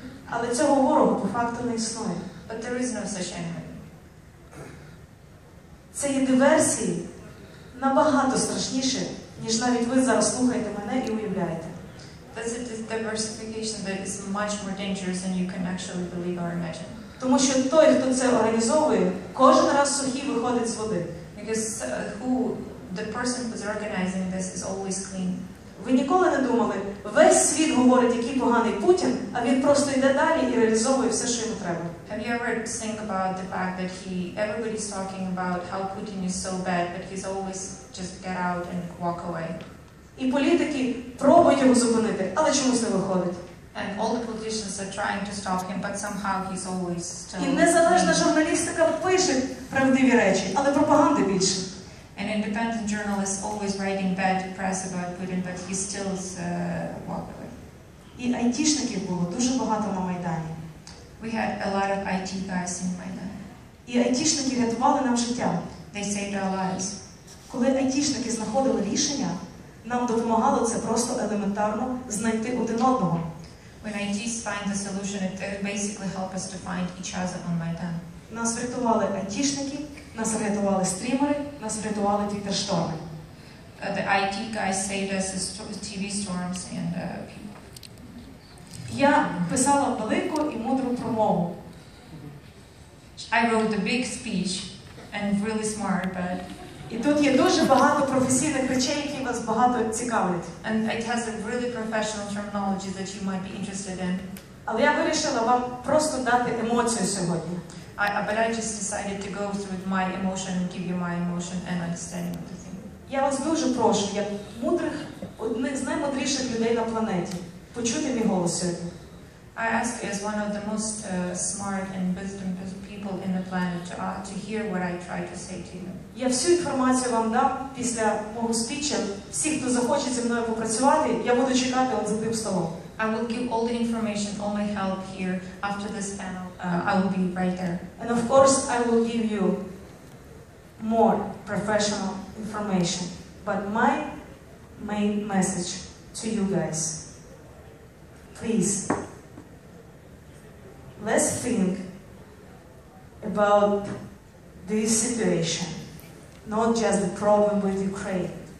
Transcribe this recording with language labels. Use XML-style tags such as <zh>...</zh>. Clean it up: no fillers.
<uk>Але цього ворога по факту не існує.</uk> <en>But there is no such enemy.</en> <uk>Це є диверсії набагато страшніше, ніж навіть ви зараз слухаєте мене і уявляєте.</uk> <en>That's a diversification that is much more dangerous than you can actually believe or imagine.</en> <uk>Тому що той, хто це організовує, кожен раз сухий виходить з води.</uk> <en>Because the person who's organizing this is always clean.</en> <uk>Ви ніколи не думали, весь світ говорить, який поганий Путін, а він просто йде далі і реалізовує все, що йому треба.</uk> <en>Have you ever think about the fact that everybody's talking about how Putin is so bad, but he's always just get out and walk away?</en> <uk>І політики пробують його зупинити, але чомусь не виходить.</uk> <en>And all the politicians are trying to stop him, but somehow he's always still...</en> <uk>І незалежна журналістика пише правдиві речі, але пропаганди більше.</uk> <en>An independent journalist always writing bad press about Putin, but he still is walking away.</en> <uk>І айтішників було дуже багато на Майдані.</uk> <en>We had a lot of IT guys in Майдан.</en> <uk>І айтішники рятували нам життя.</uk> <en>They saved our lives.</en> <uk>Коли айтішники знаходили рішення, нам допомагало це просто елементарно знайти один одного.</uk> <en>When IT's find the solution, it basically helped us to find each other on Майдан.</en> <uk>Нас врятували айтішники, нас врятували стрімери, нас врятували твіттер-шторми.</uk> <en>The IT guys saved us as TV storms and people.</en> <uk>Я писала велику і мудру промову.</uk> <en>I wrote a big speech and really smart, but...</en> <uk>І тут є дуже багато професійних речей, які вас багато цікавлять.</uk> <en>And it has a really professional terminology that you might be interested in.</en> <uk>Але я вирішила вам просто дати емоцію сьогодні.</uk> <en>But I just decided to go through my emotion and give you my emotion and understanding of the thing.</en> <uk>Я вас дуже прошу, як мудрих, одних з наймудріших людей на планеті, почути мій голос сьогодні.</uk> <en>I ask as one of the most smart and wisdom people in the planet to hear what I try to say to you.</en> <uk>Я всю інформацію вам дам після мого спічі. Всі, хто захоче зі мною попрацювати, я буду чекати за тим столом.</uk> <en>I will give all the information, all my help here after this panel. I will be right there. And of course, I will give you more professional information. But my main message to you guys, please, let's think about this situation, not just the problem with Ukraine.</en>